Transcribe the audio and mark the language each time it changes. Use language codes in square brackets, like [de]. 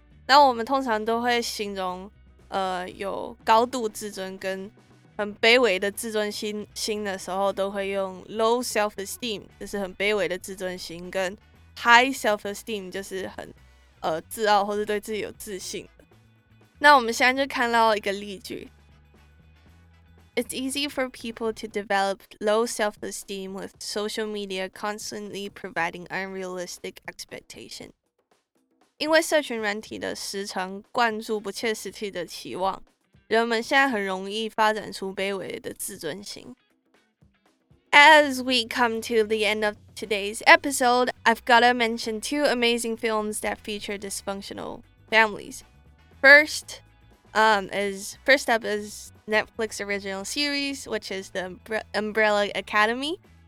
[zh] 那我们通常都会形容有高度自尊跟很卑微的自尊 心的时候，都会用 low self-esteem， 就是很卑微的自尊心，跟 high self-esteem， 就是很自傲或是对自己有自信。那我们现在就看到一个例句。 [en] It's easy for people to develop low self-esteem with social media constantly providing unrealistic expectation. [zh] 因为社群软体的时常灌注不切实际的期望，人们现在很容易发展出卑微的自尊心。 [en] As we come to the end of today's episode, I've gotta mention two amazing films that feature dysfunctional families. First up is Netflix original series, which is the Umbrella Academy.